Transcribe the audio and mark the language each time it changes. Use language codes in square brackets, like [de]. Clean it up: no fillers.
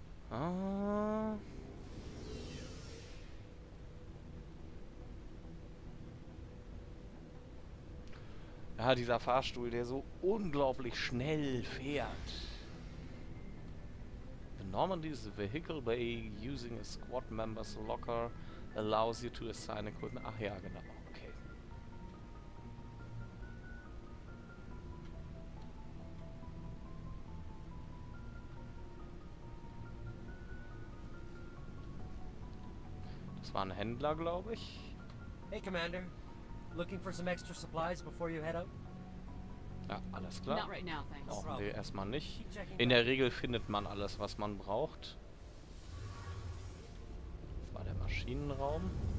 [de] Ah. Ja, dieser Fahrstuhl, der so unglaublich schnell fährt. [en] The Normandy's vehicle bay using a squad member's locker allows you to assign equipment. [de] Ach ja, genau. Okay. Das war ein Händler, glaube ich. [en] Hey, Commander. Looking for some extra supplies before you head out? [de] Ja, alles klar. [en] Not right now, thanks. [de] Brauchen wir erstmal nicht. In der Regel findet man alles, was man braucht. Das war der Maschinenraum.